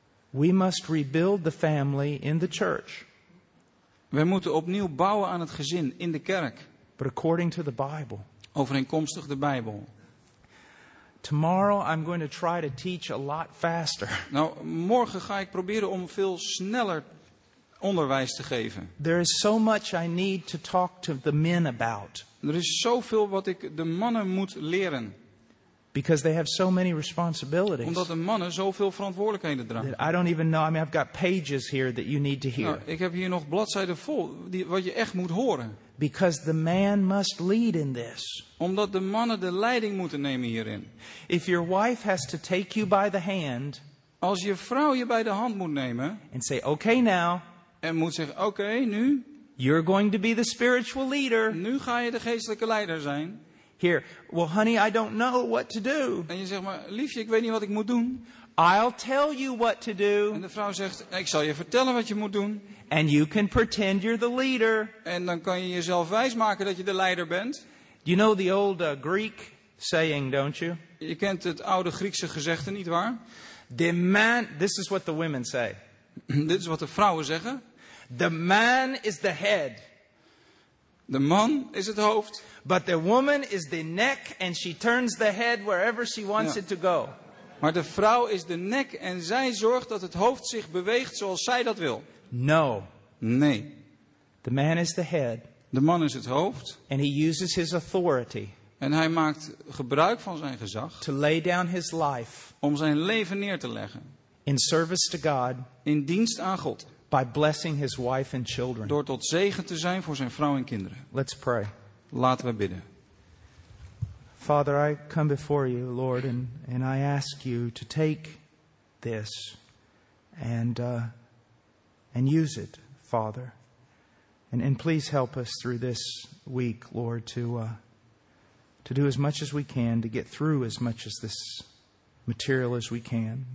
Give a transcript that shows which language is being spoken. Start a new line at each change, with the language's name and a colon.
English: We must rebuild the family in the church.
Dutch: We moeten opnieuw bouwen aan het gezin in de kerk.
English: But according to the Bible.
Dutch: Overeenkomstig de Bijbel.
English: Tomorrow I'm going to try to teach a lot faster.
Dutch: Nou, morgen ga ik proberen om veel sneller onderwijs te geven.
English: There is so much I need to talk to the men about.
Dutch: Er is zoveel wat ik de mannen moet leren.
English: Because they have so many responsibilities.
Dutch: Omdat de mannen zoveel verantwoordelijkheden dragen.
English: I don't even know. I mean, I've got pages here that you need to hear.
Dutch: Nou, ik heb hier nog bladzijden vol die, wat je echt moet horen.
English: Because the man must lead in this.
Dutch: Omdat de mannen de leiding moeten nemen hierin.
English: If your wife has to take you by the hand.
Dutch: Als je vrouw je bij de hand moet nemen.
English: And say, okay now.
Dutch: En moet zeggen, okay, nu.
English: You're going to be the spiritual leader.
Dutch: Nu ga je de geestelijke leider zijn.
English: Here, well, honey, I don't know what to do.
Dutch: En je zegt maar, liefje, ik weet niet wat ik moet doen.
English: I'll tell you what to do.
Dutch: En de vrouw zegt, ik zal je vertellen wat je moet doen.
English: And you can pretend you're the leader.
Dutch: En dan kan je jezelf wijsmaken dat je de leider bent.
English: You know the old Greek saying, don't you?
Dutch: Je kent het oude Griekse gezegde, niet waar?
English: The man, this is what the women say.
Dutch: Dit is wat de vrouwen zeggen.
English: The man is the head.
Dutch: De man is het hoofd.
English: But the woman is the neck and she turns the head wherever she wants it to go.
Dutch: Maar de vrouw is de nek en zij zorgt dat het hoofd zich beweegt zoals zij dat wil.
English: No.
Dutch: Nee.
English: The man is the head.
Dutch: De man is het hoofd.
English: And he uses his authority.
Dutch: En hij maakt gebruik van zijn gezag.
English: To lay down his life.
Dutch: Om zijn leven neer te leggen.
English: In service to God.
Dutch: In dienst aan God.
English: By blessing his wife and children.
Dutch: Door tot zegen te zijn voor zijn vrouw en kinderen.
English: Let's pray.
Dutch: Laten we bidden.
English: Father, I come before you, Lord, and I ask you to take this and use it, Father. And please help us through this week, Lord, to do as much as we can, to get through as much as this material as we can.